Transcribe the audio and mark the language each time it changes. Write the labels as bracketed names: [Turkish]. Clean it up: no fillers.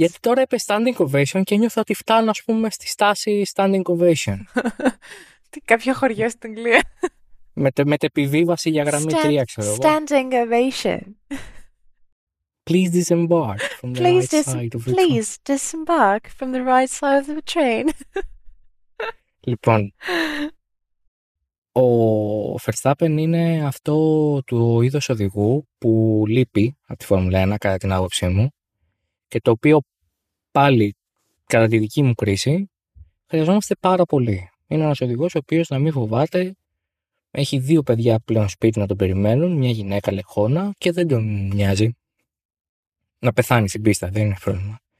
[Greek] Γιατί τώρα είπε [English] standing ovation [Greek] και νιώθω ότι φτάνω, ας πούμε, στη στάση [English] standing ovation. [Greek] Τι κάποιο χωριό στην Αγγλία. Με επιβίβαση για γραμμή 3, ξέρω εγώ. [English] Standing ovation. Please disembark from the right side of the train. Please disembark from the right side of the [Greek] Λοιπόν, [English] train. [Greek] ο Verstappen είναι αυτό το είδος οδηγού που λείπει από τη Φόρμουλα 1, κατά την άποψή μου, και το οποίο πάλι, κατά τη δική μου κρίση, χρειαζόμαστε πάρα πολύ. Είναι ένας οδηγός ο οποίος να μην φοβάται. Έχει δύο παιδιά πλέον σπίτι να τον περιμένουν, μια γυναίκα λεχόνα και δεν τον νοιάζει να πεθάνει στην πίστα, δεν είναι πρόβλημα.